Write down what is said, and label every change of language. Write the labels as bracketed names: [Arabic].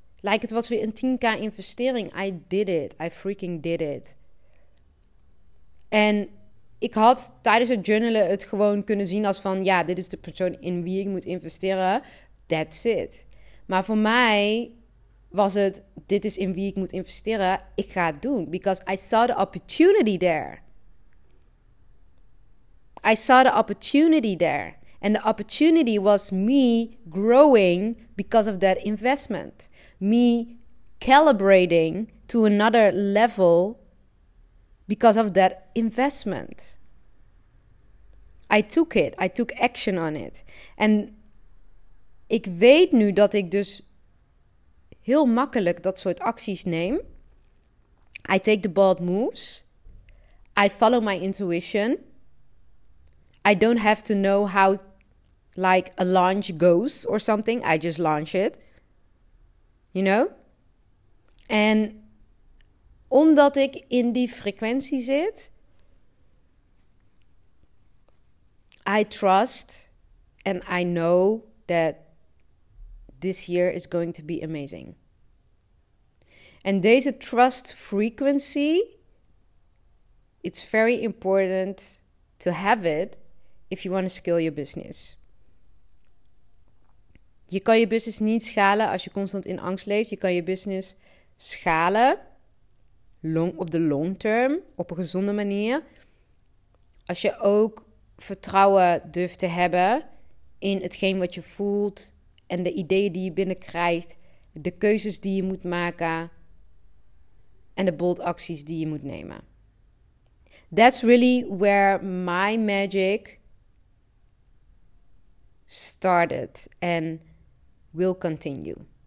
[English] Like, [Dutch] het was weer een 10.000 investering. [English] I did it. I freaking did it. [Dutch] En ik had tijdens het journalen het gewoon kunnen zien als van, ja, dit is de persoon in wie ik moet investeren. [English] That's it. [Dutch] Maar voor mij was het, dit is in wie ik moet investeren. Ik ga het doen. [English] Because I saw the opportunity there. I saw the opportunity there. And the opportunity was me growing because of that investment. Me calibrating to another level because of that investment. I took it. I took action on it. [Dutch] And ik weet nu dat ik dus heel makkelijk dat soort acties neem. [English] I take the bold moves. I follow my intuition. I don't have to know how like a launch goes or something. I just launch it. You know? [Dutch] En omdat ik in die frequentie zit, [English] I trust and I know that this year is going to be amazing. [Dutch] En deze [English] trust frequency, it's very important to have it if you want to scale your business. [Dutch] Je kan je business niet schalen als je constant in angst leeft. Je kan je business schalen op de long term, op een gezonde manier. Als je ook vertrouwen durft te hebben in hetgeen wat je voelt en de ideeën die je binnenkrijgt, de keuzes die je moet maken en de bold acties die je moet nemen. [English] That's really where my magic started and will continue.